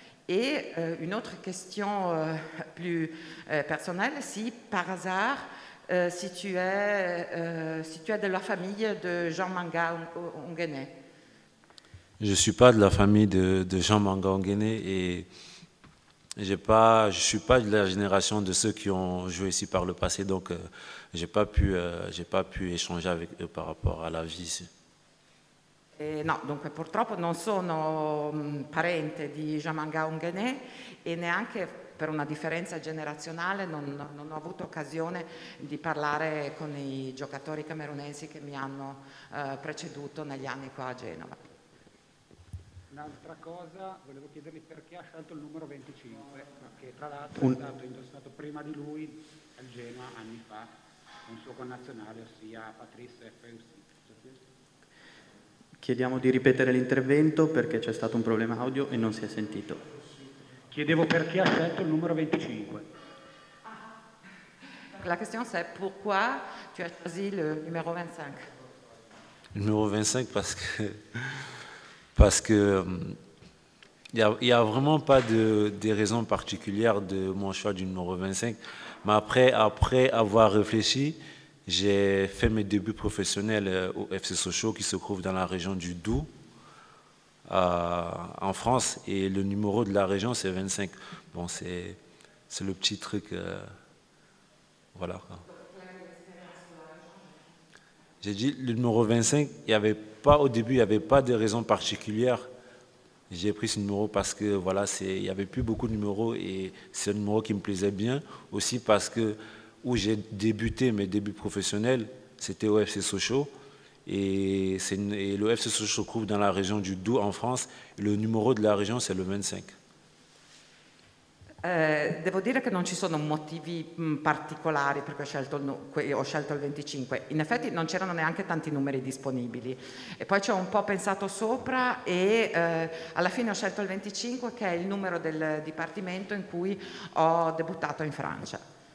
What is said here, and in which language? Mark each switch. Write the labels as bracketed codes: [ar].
[fr] Et une autre question plus personnelle, si par hasard, si tu es de la famille de Jean Manga Ongené. Je ne suis pas de la famille de Jean Manga Ongené et je ne suis pas de la génération de ceux qui ont joué ici par le passé, donc j'ai pas pu échanger avec eux par rapport à la vie ici. [it] No, dunque purtroppo non sono parente di Jamanga Ungené e neanche per una differenza generazionale non ho avuto occasione di parlare con i giocatori camerunesi che mi hanno preceduto negli anni qua a Genova. un'altra cosa, volevo chiedergli perché ha scelto il numero 25, che tra l'altro è stato indossato prima di lui al Genoa anni fa, un suo connazionale, ossia Patrice Feussi. Chiediamo di ripetere l'intervento perché c'è stato un problema audio e non si è sentito. Chiedevo perché ha scelto il numero 25. [fr] La question c'est pourquoi tu as choisi le numéro 25. Le numéro 25 parce que il y a vraiment pas de raison particulière de mon choix du numéro 25. Mais après avoir réfléchi, j'ai fait mes débuts professionnels au FC Sochaux qui se trouve dans la région du Doubs en France, et le numéro de la région c'est 25. Bon, c'est le petit truc. Voilà. J'ai dit le numéro 25, il n'y avait pas au début, il n'y avait pas de raison particulière. J'ai pris ce numéro parce que voilà, il n'y avait plus beaucoup de numéros et c'est un numéro qui me plaisait bien. Aussi parce que où j'ai débuté mes débuts professionnels, c'était au FC Sochaux. Et le FC Sochaux se trouve dans la région du Doubs en France. Et le numéro de la région, c'est le 25. [it] Devo dire che non ci sono motivi particolari perché ho scelto il 25. In effetti non c'erano neanche tanti numeri disponibili. E poi ci ho un po' pensato sopra e alla fine ho scelto il 25, che è il numero del dipartimento in cui ho debuttato in Francia.